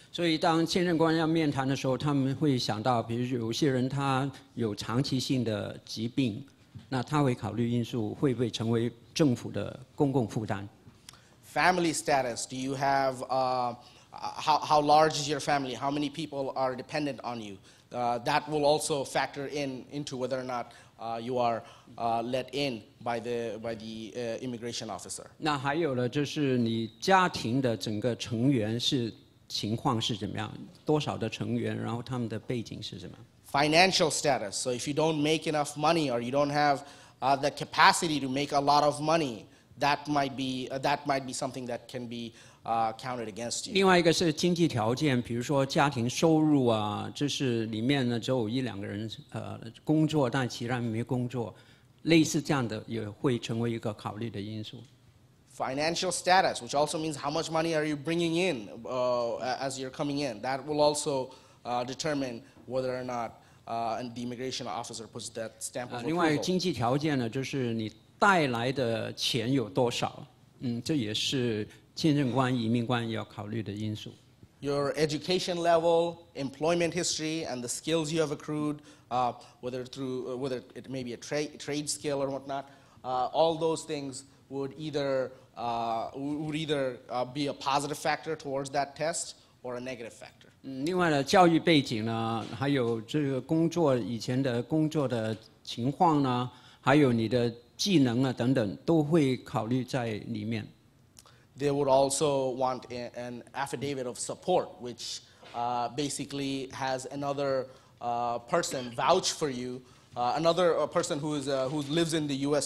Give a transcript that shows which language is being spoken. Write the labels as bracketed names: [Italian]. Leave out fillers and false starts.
[Chinese] 所以当签证官要面谈的时候，他们会想到，比如有些人他有长期性的疾病，那他会考虑因素会不会成为政府的公共负担。 [English] Family status. Do you have, how large is your family? How many people are dependent on you? That will also factor into whether or not you are let in by the immigration officer. [Chinese] 那还有了，就是你家庭的整个成员是情况是怎么样，多少的成员，然后他们的背景是什么 [English] ？Financial status. So if you don't make enough money or you don't have the capacity to make a lot of money, that might be something that can be counted against you. [Chinese] 另外一个是经济条件，比如说家庭收入啊，就是里面呢只有一两个人工作，但其他没工作。类似这样的也会成为一个考虑的因素。 [English] Financial status, which also means how much money are you bringing in as you're coming in, that will also determine whether or not and the immigration officer puts that stamp of approval. [Chinese] 另外经济条件呢，就是你带来的钱有多少，这也是签证官、移民官要考虑的因素。 [English] Your education level, employment history, and the skills you have accrued, whether it may be a trade skill or whatnot, all those things would either be a positive factor towards that test or a negative factor. [Chinese] 另外呢，教育背景呢，还有这个工作以前的工作的情况呢，还有你的技能啊等等，都会考虑在里面。 [English] They would also want an affidavit of support, which basically has another person vouch for you, another person who lives in the U.S.